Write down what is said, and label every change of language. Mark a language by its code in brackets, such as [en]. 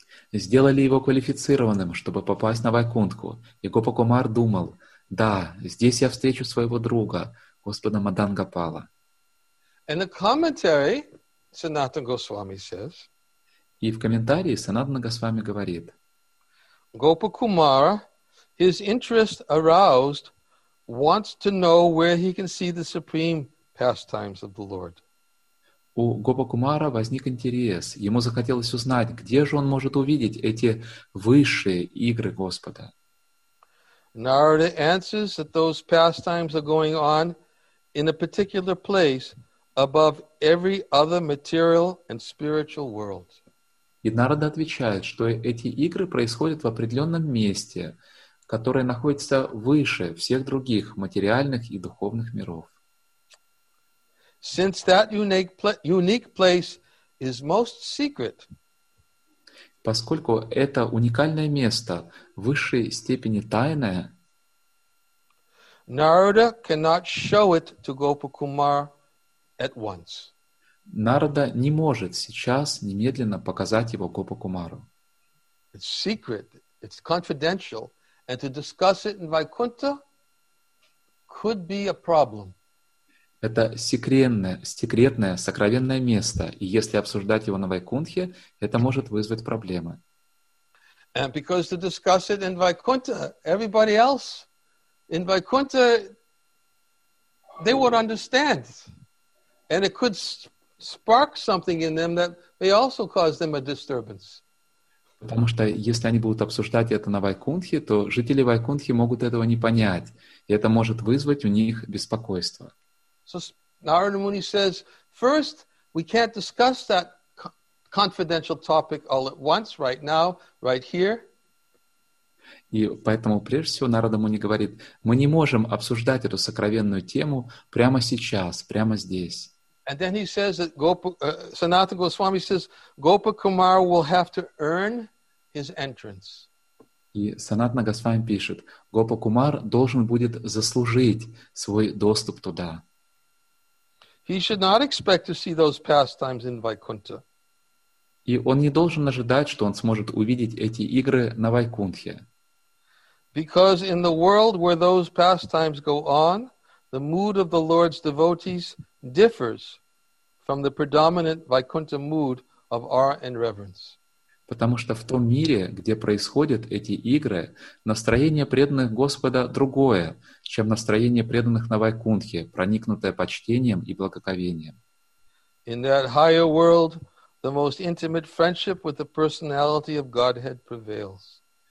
[ru] Сделали его квалифицированным, чтобы попасть на Вайкунтху, и Гопакумар думал, да, здесь я встречу своего друга, Господа Мадангопала. [en] In the commentary, Sanatana Goswami says, [ru] и в комментарии Санатана Госвами говорит, [en] Gopakumar, his interest aroused, wants to know where he can see the supreme pastimes of the Lord. [ru] У Гопакумара возник интерес. Ему захотелось узнать, где же он может увидеть эти высшие игры Господа. [en] Narada answers that those pastimes are going on in a particular place above every other material and spiritual world. [ru] И Нарада отвечает, что эти игры происходят в определенном месте, которая находится выше всех других материальных и духовных миров. [en] Since that unique place is most secret, [ru] поскольку это уникальное место, высшей степени тайное, [en] Narada cannot show it to Gopakumar at once. [ru] Нарада не может сейчас немедленно показать его Гопакумару. [en] It's secret, it's confidential. And to discuss it in Vaikuntha could be a problem. [ru] Это секретное, сокровенное место. И если обсуждать его на Вайкунтхе, это может вызвать проблемы. [en] And because to discuss it in Vaikuntha, everybody else in Vaikuntha, they would understand. And it could spark something in them that may also cause them a disturbance. [ru] Потому что если они будут обсуждать это на Вайкунтхе, то жители Вайкунтхи могут этого не понять, и это может вызвать у них беспокойство. [en] So Narada Muni says, first, we can't discuss that confidential topic all at once, right now, right here. [ru] И поэтому, прежде всего, Нарада Муни говорит, мы не можем обсуждать эту сокровенную тему прямо сейчас, прямо здесь. [en] And then he says that Sanatana Goswami says Gopakumar will have to earn his entrance. [ru] И Санатана Госвами пишет, Гопакумар должен будет заслужить свой доступ туда. [en] He should not expect to see those pastimes in Vaikuntha. [ru] И он не должен ожидать, что он сможет увидеть эти игры на Вайкунтхе. [en] Because in the world where those pastimes go on, the mood of the Lord's devotees differs from the predominant Vaikuntha mood of awe and reverence. [ru] Потому что в том мире, где происходят эти игры, настроение преданных Господа другое, чем настроение преданных на Вайкунтхе, проникнутое почтением и благоговением. [en] In that higher world, the most intimate friendship with the personality of Godhead prevails.